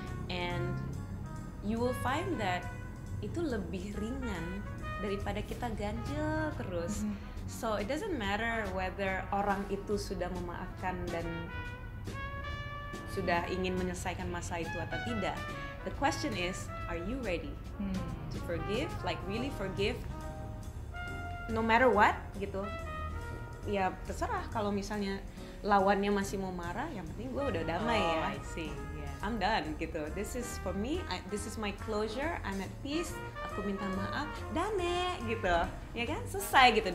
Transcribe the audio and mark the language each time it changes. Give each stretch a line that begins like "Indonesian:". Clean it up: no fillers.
English: And you will find that
Indonesian: itu lebih ringan daripada kita ganjel terus.
English: So it doesn't matter whether
Indonesian: orang itu sudah memaafkan dan sudah ingin menyelesaikan masa itu atau tidak.
English: The question is, are you ready to forgive? Like really forgive, no matter what, gitu.
Indonesian: Ya terserah kalau misalnya lawannya masih mau marah, yang penting gue udah damai ya.
English: I see. Yeah. I'm done, gitu. This is for me. This is my closure. I'm at peace.
Indonesian: Aku minta maaf. Dame, gitu. Ya kan, selesai gitu.